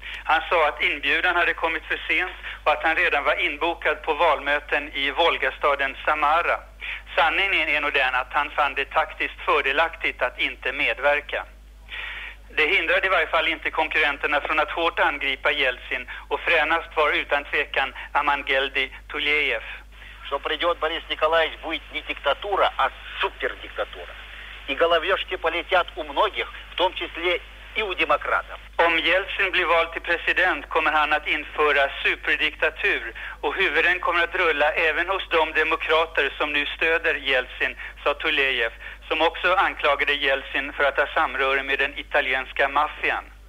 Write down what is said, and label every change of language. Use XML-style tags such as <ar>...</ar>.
<sv>Han sa att inbjudan hade kommit för sent och att han redan var inbokad på valmöten i Volgastaden Samara. Sanningen är nog den att han fann det taktiskt fördelaktigt att inte medverka. Det hindrade i varje fall inte konkurrenterna från att hårt angripa Jeltsin, och fränast var utan tvekan Amangeldi Tuleyev.</sv> <ru>Så придет Борис Николаевич будет не диктатура, а супердиктатура. И головешки полетят у многих, в том числе и у демократов.</ru> <sv>Om Jeltsin blir vald till president kommer han att införa superdiktatur, och huvuden kommer att rulla även hos de demokrater som nu stöder Jeltsin, sa Tuleyev, som också anklagade Jeltsin för att ha samröre med den italienska maffian.</sv>